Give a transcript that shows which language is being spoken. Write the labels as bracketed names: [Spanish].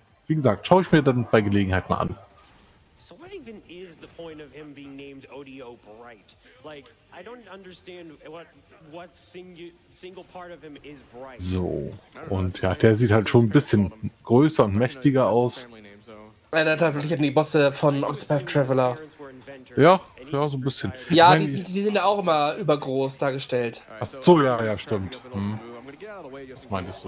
[German] Wie gesagt, schaue ich mir dann bei Gelegenheit mal an. [English] So what even is the point of him being named ODO Bright? Like, I don't understand what single part of him is bright. [German] So, und ja, der sieht halt schon ein bisschen größer und mächtiger aus. Erinnert halt wirklich an die Bosse von Octopath Traveler. Ja, ja, so ein bisschen. Ja, die sind ja auch immer übergroß dargestellt. Ach so, ja, ja, stimmt. Was meinst du?